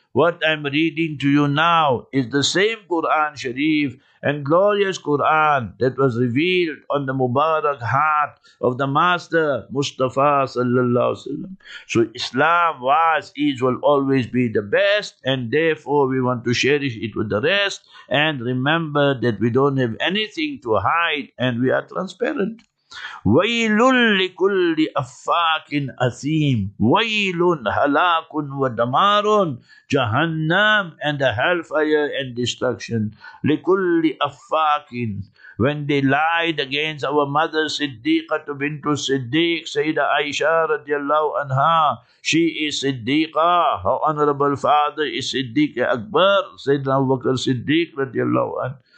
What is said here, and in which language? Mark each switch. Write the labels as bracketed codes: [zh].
[en] What I'm reading to you now is the same Quran Sharif and glorious Quran that was revealed on the Mubarak heart of the Master Mustafa sallallahu alaihi wasallam. So Islam was, is, will always be the best, and therefore we want to cherish it with the rest and remember that we don't have anything to hide and we are transparent. [ar] وَيْلٌ لِكُلِّ أَفَّاكٍ أَثِيمٍ وَيْلٌ هَلَاكٌ وَدَمَارٌ جَهَنَّمْ [en] and the hellfire and destruction. [ar] لِكُلِّ أَفَّاكٍ, [en] when they lied against our mother Siddiqah bint Siddiq, Sayyida Aisha radiallahu anha, she is Siddiqah, her honorable father is Siddiq Akbar, Sayyidina Abu Bakr Siddiq radiallahu anha.